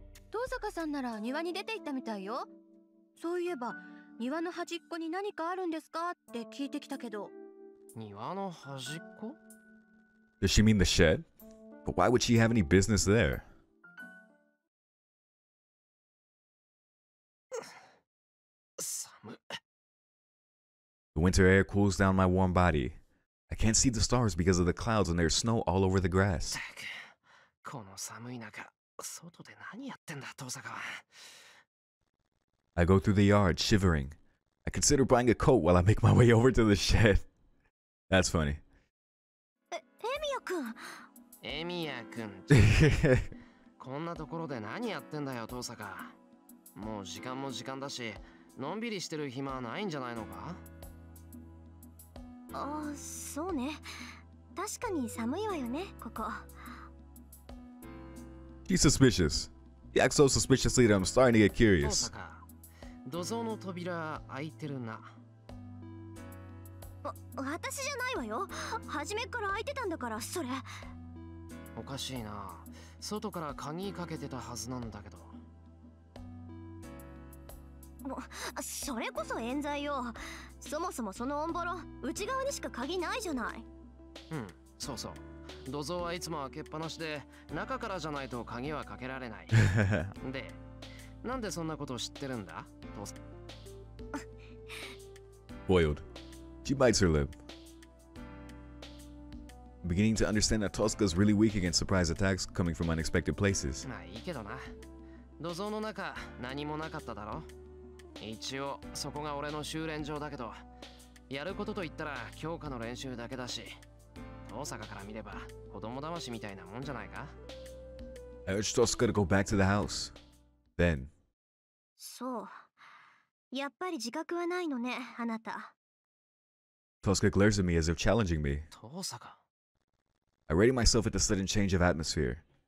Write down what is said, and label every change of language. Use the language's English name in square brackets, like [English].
[Japanese] 遠坂さんなら庭に出て行ったみたいよ。そういえば、庭の端っこに何かあるんですかって聞いてきたけど。庭の端っこ? [English] Does she mean the shed? But why would she have any business there? The winter air cools down my warm body. I can't see the stars because of the clouds and there's snow all over the grass. [Japanese] この寒い中。外で何やってんだ、トサカは。 [English] I go through the yard, shivering. I consider buying a coat while I make my way over to the shed. That's funny. [Japanese] エミヤ君。こんなところで何やってんだよ、トサカ。もう時間も時間だし、のんびりしてる暇はないんじゃないのか。あ、そうね。確かに寒いわよね、ここ。 [English] He's suspicious. He acts so suspiciously that I'm starting to get curious. [Japanese] 土蔵の扉開いてるな。私じゃないわよ。初めから開いてたんだから、それ。おかしいな。外から鍵かけてたはずなんだけど。それこそ冤罪よ。そもそもそのオンボロ、内側にしか鍵ないじゃない。うん、そうそう。土蔵はいつも開けっぱなしで、中からじゃないと鍵はかけられない。で、なんでそんなこと知ってるんだ、父さん。 [English] Boiled. She bites her lip. Beginning to understand that Tosca's really weak against surprise attacks coming from unexpected places. [Japanese] まあいいけどな。土蔵の中、何もなかっただろ。一応そこが俺の修練場だけど、やることといったら強化の練習だけだし、大阪から見れば子供騙しみたいなもんじゃないか。 [English] I urge Tosca to go back to the house. Then. [Japanese] そう。やっぱり自覚はないのね、あなた。 [English] Tosca glares at me as if challenging me. [Japanese] 大阪。 [English] I ready myself at the sudden change of atmosphere.